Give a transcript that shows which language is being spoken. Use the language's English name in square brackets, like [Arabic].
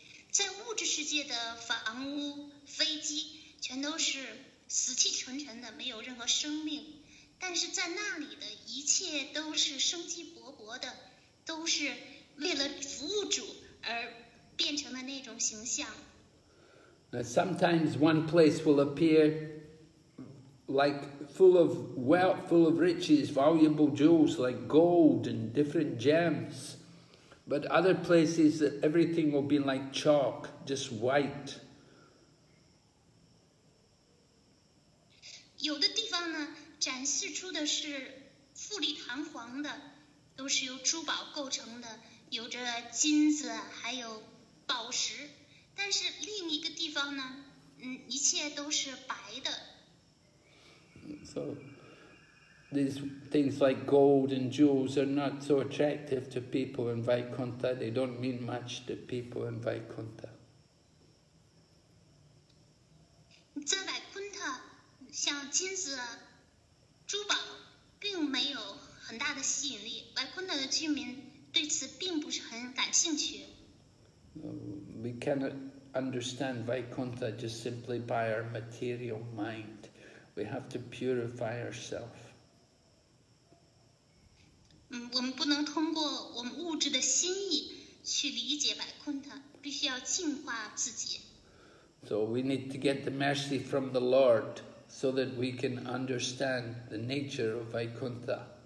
[Chinese] 在物质世界的房屋、飞机全都是死气沉沉的，没有任何生命。但是在那里的一切都是生机勃勃的，都是为了服务主而变成的那种形象。 [English] Now, sometimes one place will appear like full of wealth, full of riches, valuable jewels like gold and different gems. But other places, everything will be like chalk, just white. [Chinese] 有的地方呢，展示出的是富丽堂皇的，都是由珠宝构成的，有着金子，还有宝石。但是另一个地方呢，一切都是白的， [English] So these things like gold and jewels are not so attractive to people in Vaikuntha. They don't mean much to people in Vaikuntha. [Chinese] 这百昆特像金子珠宝并没有很大的吸引力，百昆特的居民对此并不是很感兴趣。 [English] We cannot understand Vaikuntha just simply by our material mind. We have to purify ourselves. [Chinese] 我们不能通过我们物质的心意去理解百昆特，必须要净化自己。 [English] So we need to get the mercy from the Lord so that we can understand the nature of Vaikuntha.